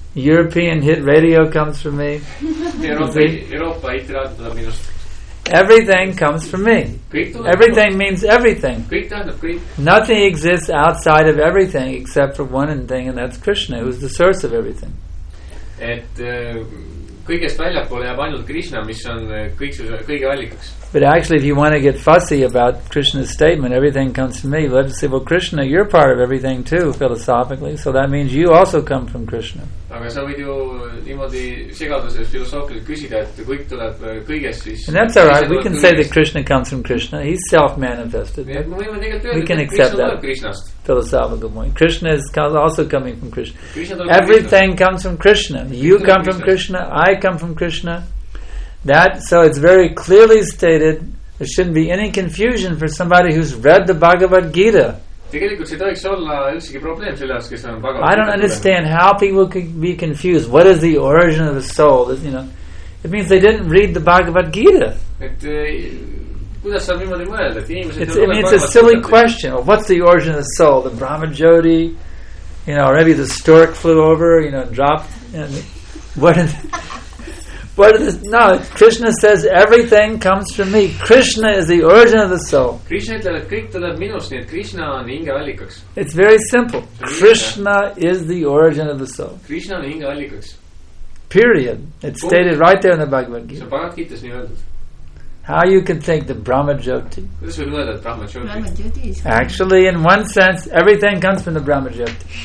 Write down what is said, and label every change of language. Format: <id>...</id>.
<en>European hit radio comes from me.</en> <et>Euroopa hit radio tuleb minust.</et> <en>Everything comes from me.</en> <et>Kõik tuleb</et> <en>everything means everything.</en> <et>Kõik tähendab kõik.</et> <en>Nothing exists outside of everything except for one thing, and that's Krishna, who's the source of everything.</en> <et>Et kõigest väljapoole jääb ainult Krishna, mis on kõige allikaks.</et> <en>But actually, if you want to get fussy about Krishna's statement, everything comes from me, let's say, well, Krishna, you're part of everything too, philosophically, so that means you also come from Krishna.</en> <et>Aga sa võid ju niimoodi segaduses filosoofiliselt küsida, et kõik tuleb kõigest, siis...</et> <en>And that's all right, we can say that Krishna comes from Krishna, he's self-manifested. We can accept that philosophical point. Krishna is also coming from Krishna. Everything comes from Krishna. You come from Krishna, I come from Krishna. That, so it's very clearly stated, there shouldn't be any confusion for somebody who's read the Bhagavad Gita. I don't understand how people could be confused. What is the origin of the soul? You know, it means they didn't read the Bhagavad Gita. It's a silly question. What's the origin of the soul? The Brahma Jyoti? You know, or maybe the stork flew over, you know, dropped? And what is... But it is, no, Krishna says everything comes from me. Krishna is the origin of the soul.</en> <et>Krishna ütleb, et kõik tuleb minus, nii et Krishna on hinge allikaks.</et> <en>It's very simple. Krishna is the origin of the soul.</en> <et>Krishna on hinge allikaks.</et> <en>Period. It's stated right there in the Bhagavad Gita.</en> <et>See Bhagavad Gita nii öeldud.</et> <en>How you can think the Brahma Jyoti? This would mean that Brahma Jyoti. Actually, in one sense, everything comes from the Brahma Jyoti.</en>